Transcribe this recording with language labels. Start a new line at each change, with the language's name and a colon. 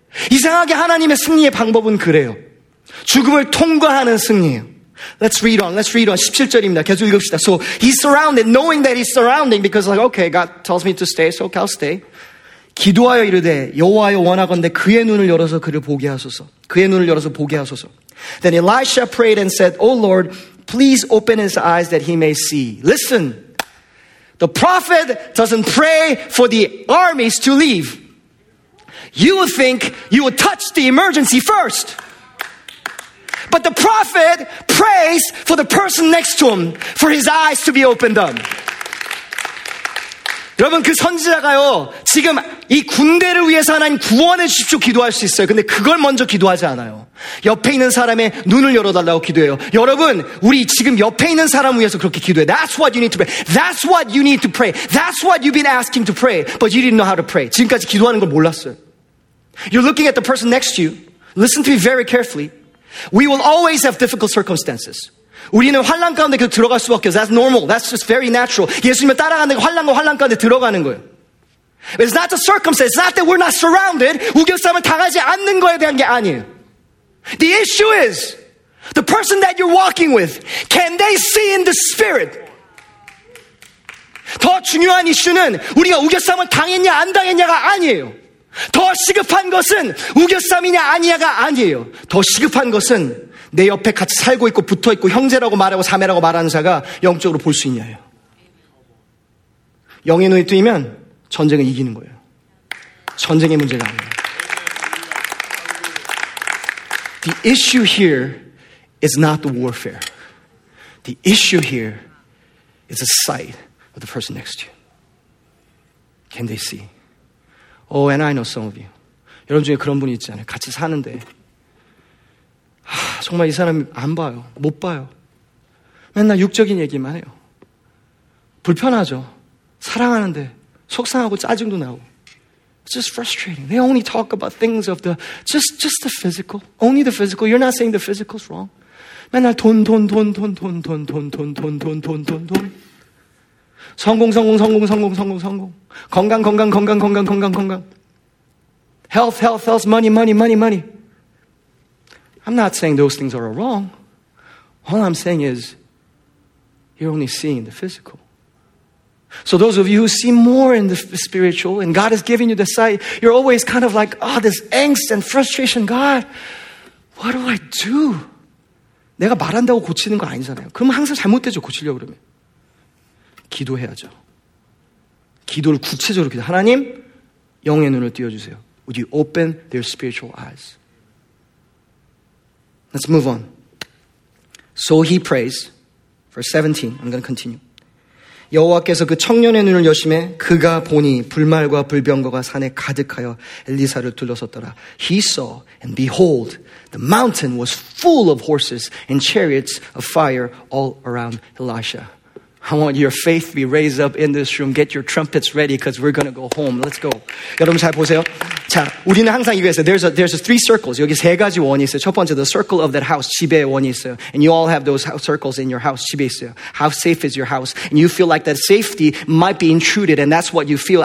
Korean: 이상하게 하나님의 승리의 방법은 그래요. 죽음을 통과하는 승리예요.
English: Let's read on. Let's read on.
Korean: 17절입니다. 계속 읽읍시다.
English: So he's surrounded, knowing that he's surrounding, because like, okay, God tells me to stay, so I'll stay.
Korean: 기도하여 이르되 여호와여 원하건대 그의 눈을 열어서 그를 보게 하소서. 그의 눈을 열어서 보게 하소서.
English: Then Elisha prayed and said, "O Lord, please open his eyes that he may see." Listen, the prophet doesn't pray for the armies to leave. You would think you would touch the emergency first. But the prophet prays for the person next to him, for his eyes to be opened up.
Korean: 여러분, 그 선지자가요, 지금 이 군대를 위해서 하나님 구원해 주십시오 기도할 수 있어요. 근데 그걸 먼저 기도하지 않아요. 옆에 있는 사람의 눈을 열어달라고 기도해요. 여러분, 우리 지금 옆에 있는 사람 위해서 그렇게 기도해요.
English: That's what you need to pray. That's what you need to pray. That's what you've been asking to pray. But you didn't know how to pray.
Korean: 지금까지 기도하는 걸 몰랐어요.
English: You're looking at the person next to you. Listen to me very carefully. We will always have difficult circumstances.
Korean: 우리는 환난 가운데 그 들어갈 수밖에 없어요.
English: That's normal. That's just very natural.
Korean: 예수님을 따라가는 게 환난 가운데 들어가는 거예요.
English: It's not the circumstance. It's not that we're not surrounded.
Korean: 우겨싸움을 당하지 않는 거에 대한 게 아니에요.
English: The issue is, the person that you're walking with, can they see in the spirit?
Korean: 더 중요한 이슈는 우리가 우겨싸움을 당했냐 안 당했냐가 아니에요. 더 시급한 것은 우겨싸움이냐 아니냐가 아니에요. 더 시급한 것은 내 옆에 같이 살고 있고 붙어 있고 형제라고 말하고 자매라고 말하는 자가 영적으로 볼 수 있냐예요. 영의 눈이 뜨이면 전쟁을 이기는 거예요. 전쟁의 문제가 아니에요.
English: The issue here is not the warfare. The issue here is the sight of the person next to you. Can they see? Oh, and I know some of you.
Korean: 여러분 중에 그런 분이 있지 않아요? 같이 사는데. 하, 정말 이 사람 안 봐요. 못 봐요. 맨날 육적인 얘기만 해요. 불편하죠. 사랑하는데 속상하고 짜증도 나고.
English: It's just frustrating. They only talk about things of the, just the physical. Only the physical. You're not saying the physical's wrong.
Korean: 맨날 돈. 성공. 건강.
English: Health, money. I'm not saying those things are wrong. All I'm saying is, you're only seeing the physical. So those of you who see more in the spiritual, and God has given you the sight, you're always kind of like, oh, this angst and frustration. God, what do I do?
Korean: 내가 말한다고 고치는 거 아니잖아요. 그러면 항상 잘못되죠, 고치려고 그러면. 기도해야죠. 기도를 구체적으로 기도. 하나님, 영의 눈을 띄워주세요.
English: Would you open their spiritual eyes? Let's move on. So he prays. Verse 17. I'm going to continue.
Korean: 여호와께서 그 청년의 눈을 여심해 그가 보니 불말과 불병거가 산에 가득하여 엘리사를 둘러섰더라.
English: He saw and behold, the mountain was full of horses and chariots of fire all around Elisha. I want your faith to be raised up in this room. Get your trumpets ready because we're going to go home. Let's go.
Korean: 여러분 잘 보세요. 자, 우리는 항상 이거 있어요.
English: There's three circles.
Korean: 여기 세 가지 원이 있어요. 첫 번째,
English: the circle of that house,
Korean: 집에 원이 있어요.
English: And you all have those circles in your house,
Korean: 집에 있어요.
English: How safe is your house? And you feel like that safety might be intruded and that's what you feel.